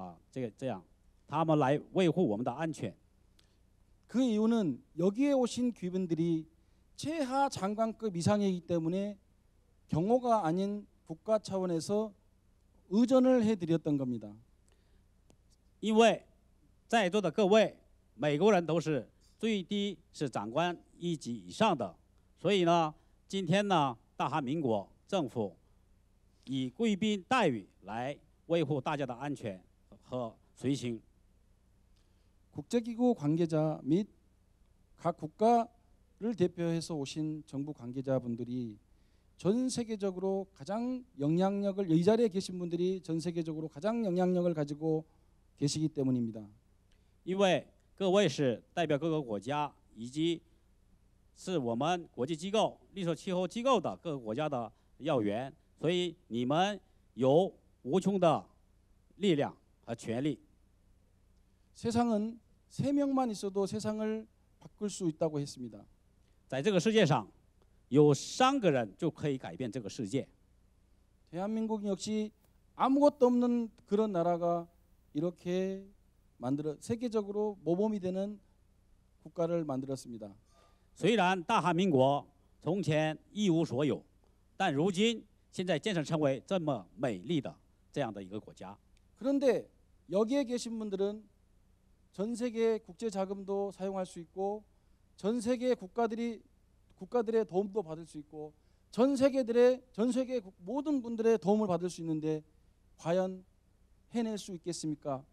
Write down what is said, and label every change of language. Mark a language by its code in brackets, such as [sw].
[zh] 今天呢，大韩民国的警察厅积极支持。所以呢，我们在座的各位，从机场到宾馆，宾馆到这个会场，这都是国家级的一个待遇啊。这个这样，他们来维护我们的安全。 [ko] 그 이유는 여기에 오신 귀빈들이 최하 장관급 이상이기 때문에 경호가 아닌 국가 차원에서 의전을 해드렸던 겁니다. [zh] 因为在座的各位美国人都是最低是长官一级以上的，所以呢，今天呢，大韩民国政府以贵宾待遇来维护大家的安全和随行。 [ko] 국제기구 관계자 및 각 국가를 대표해서 오신 정부 관계자분들이 전 세계적으로 가장 영향력을 이 자리에 계신 분들이 전 세계적으로 가장 영향력을 가지고 계시기 때문입니다. [zh] 因为各位是代表各个国家，以及是我们国际机构、绿色气候机构的各个国家的要员，所以你们有无穷的力量和权力。 [ko] 세상은 세 명만 있어도 세상을 바꿀 수 있다고 했습니다. [zh] 在这个世界上有三个人就可以改变这个世界。 [ko] 대한민국 역시 아무것도 없는 그런 나라가 이렇게 만들어 세계적으로 모범이 되는 국가를 만들었습니다. [zh] 虽然大韩民国从前一无所有，但如今现在建设成为这么美丽的这样的一个国家。 [ko] 그런데 여기에 계신 분들은 전 세계 국제 자금도 사용할 수 있고 전 세계 국가들이 국가들의 도움도 받을 수 있고 전 세계들의 전 세계 모든 분들의 도움을 받을 수 있는데 과연 해낼 수 있겠습니까?